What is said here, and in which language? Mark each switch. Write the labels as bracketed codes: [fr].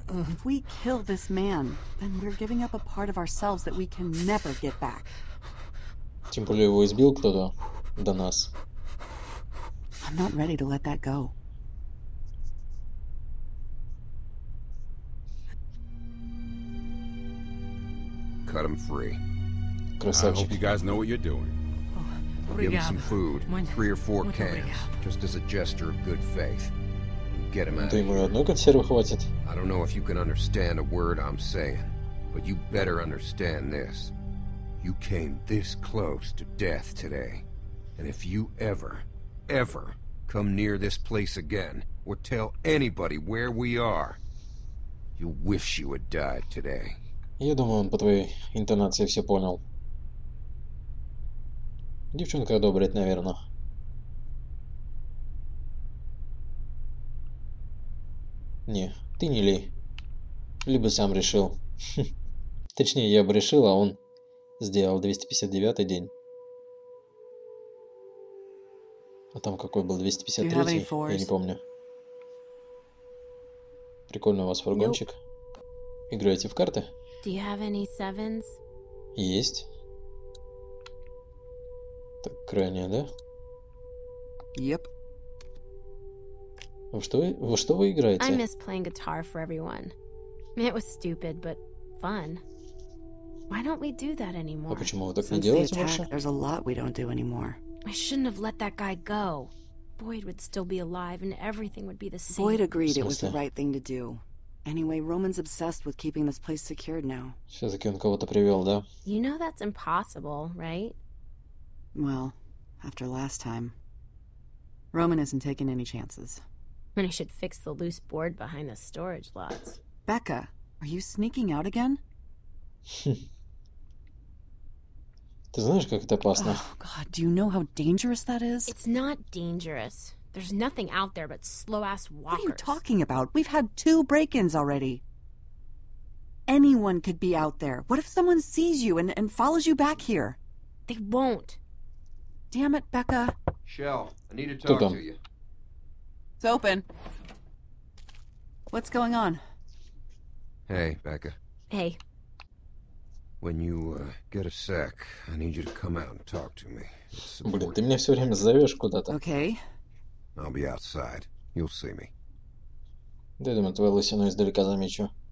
[en] If we kill this man, then we're giving up a part of ourselves that we can never get back. [ru] Тем более его избил кто-то до нас. [en] I'm not ready to let that go. Cut him free. Красавчик. I hope you guys know what you're doing. Give him some food, three or four cans, just as a gesture of good faith. Get him out. [ru] Да ему одной консервы хватит. [en] I don't know if you can understand a word I'm saying, but you better understand this. You came this close to death today. And if you ever, ever come near this place again, or tell anybody where we are, you wish you had died today. [ru] Я думаю, он по твоей интонации все понял. Девчонка одобрит, наверное. Не, ты не Ли. Ли бы сам решил. Точнее, я бы решил, а он сделал 259-й день. А там какой был 253-й? Я не помню. Прикольный у вас фургончик. Играете в карты? [en] Do you have any sevens? [ru] Есть. Так, крайняя, да? [en] Yep. [ru] Во что вы играете? [en] I miss playing guitar for everyone. It was stupid, but fun. Why don't we do that anymore? [ru] А почему вы так не делаете больше? [en] There's a lot we don't do anymore. I shouldn't have let that guy go. Boyd would still be alive and everything would be the same. Boyd agreed it was the right thing to do. Anyway, Roman's obsessed with keeping this place secured now. [ru] Все-таки он кого-то привел, да? [en] You know that's impossible, right? Well, after last time, Roman isn't taking any chances. Then he should fix the loose board behind the storage lots. Becca, are you sneaking out again? [ru] Ты знаешь, как это опасно? [en] Oh God, do you know how dangerous that is? It's not dangerous. There's nothing out there but slow-ass walkers. What are you talking about? We've had two break-ins already. Anyone could be out there. What if someone sees you and follows you back here? They won't. Damn it, Becca. Shell, I need to talk to you. It's open. What's going on? Hey, Becca. Hey. When you get a sec, I need you to come out and talk to me. [ru] Блин, ты меня все время зовешь куда-то. [en] Okay. I'll be outside. You'll see me. [ru] Дай, думаю, твою лысину издалека замечу.